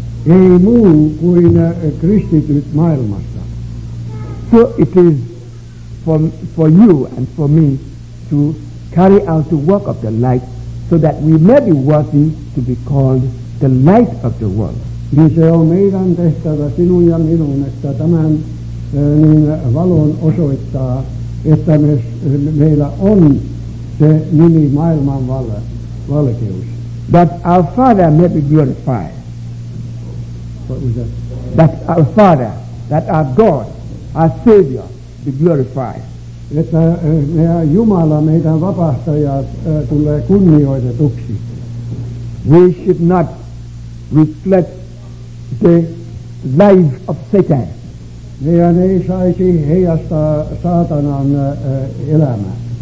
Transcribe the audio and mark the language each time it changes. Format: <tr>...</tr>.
<fi>Ei muu kuin kristityt maailmassa.</fi> <en>So it is for you and for me to carry out the work of the light so that we may be worthy to be called the light of the world.</en> <fi>Niin se on meidän tehtävä, sinun ja minun, että tämän niin valon osoittaa, että meillä on se nimi maailman valkeus.</fi> <en>That our Father may be glorified. That our Father, that our God, our Savior, be glorified.</en> <fi>Että meidän Jumala, meidän vapahtaja, tulee kunnioitetuksi.</fi> <en>We should not reflect the life of Satan.</en> <fi>Meidän ei saisi heijastaa saatanan elämää.</fi>